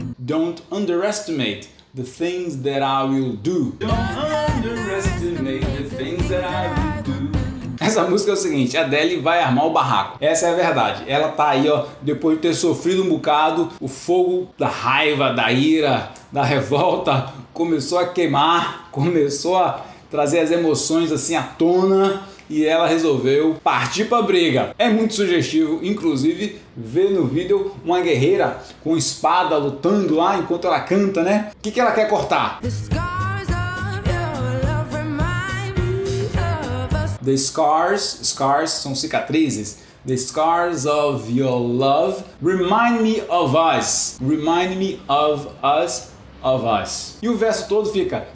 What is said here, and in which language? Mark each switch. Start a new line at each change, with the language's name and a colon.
English: Don't underestimate the things that I will do. Don't underestimate the things that I will do.
Portuguese: Essa música é o seguinte, a Adele vai armar o barraco. Essa é a verdade. Ela tá aí, ó, depois de ter sofrido um bocado, o fogo da raiva, da ira, da revolta começou a queimar, começou a trazer as emoções assim à tona. E ela resolveu partir pra briga. É muito sugestivo, inclusive, ver no vídeo uma guerreira com espada lutando lá enquanto ela canta, né? O que ela quer cortar?
English: The scars of your love remind me of us. The scars, scars
Portuguese: são cicatrizes.
English: The scars of your love remind me of us. Remind me of us, of us.
Portuguese: E o verso todo fica.